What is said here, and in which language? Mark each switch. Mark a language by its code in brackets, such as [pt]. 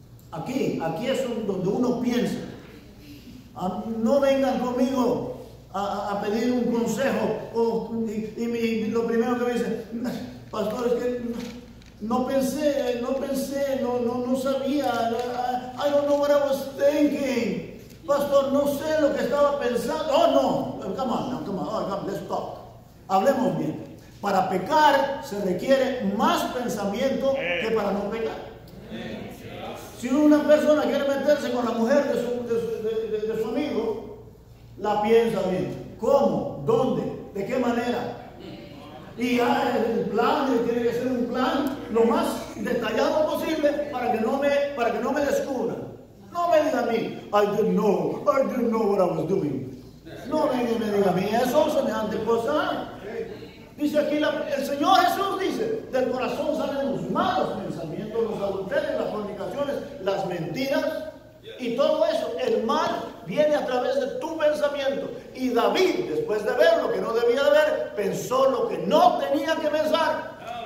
[es] Aquí es donde uno piensa. No vengan conmigo a pedir un consejo. Lo primero que me dicen, pastor, es que no pensé, no sabía. [en] I don't know what I was thinking. [es] Pastor, no sé lo que estaba pensando. [en] Oh, no. Come on, let's talk. [es] Hablemos bien. Para pecar se requiere más pensamiento que para no pecar. Si una persona quiere meterse con la mujer de su amigo, la piensa bien. ¿Cómo? ¿Dónde? ¿De qué manera? Y ya el plan tiene que ser un plan lo más detallado posible para que no me descubra. No me diga a mí, [en] I didn't know what I was doing. [es] No venga y me diga a mí, eso es semejante cosa. Dice aquí, el Señor Jesús dice, del corazón salen los malos pensamientos, los adulterios, las fornicaciones, las mentiras y todo eso. El mal viene a través de tu pensamiento. Y David, después de ver lo que no debía de ver, pensó lo que no tenía que pensar.